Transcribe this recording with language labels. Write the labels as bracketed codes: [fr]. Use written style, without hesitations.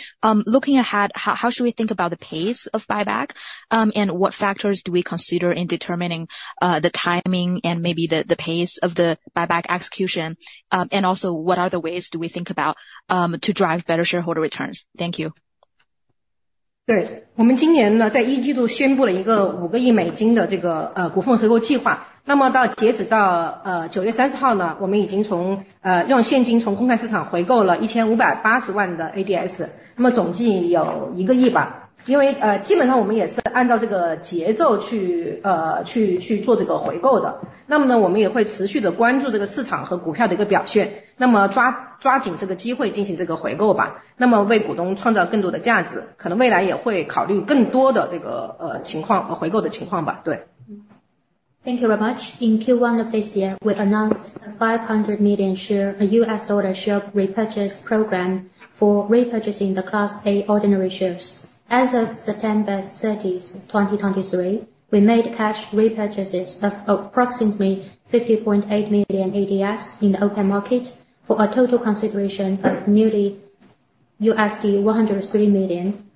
[en] Looking ahead, how should we think about the pace of buyback? And what factors do we consider in determining the timing and maybe the pace of the buyback execution? And also, what are the ways do we think about to drive better shareholder returns? Thank you. [zh] 对，我们今年呢，在一季度宣布了一个5亿美金的这个股份回购计划。那么到截止到9月30号呢，我们已经从用现金从公开市场回购了1580万的 ADS， 那么总计有1亿吧。因为基本上我们也是按照这个节奏去做这个回购的。那么呢，我们也会持续的关注这个市场和股票的一个表现，那么抓紧这个机会进行这个回购吧。那么为股东创造更多的价值，可能未来也会考虑更多的这个情况回购的情况吧。对。 [en] Thank you very much. In Q1 of this year, we announced a $500 million US dollar share repurchase program for repurchasing the Class A ordinary shares. As of September 30, 2023, we made cash repurchases of approximately 50.8 million ADS in the open market for a total consideration of nearly USD 103 million.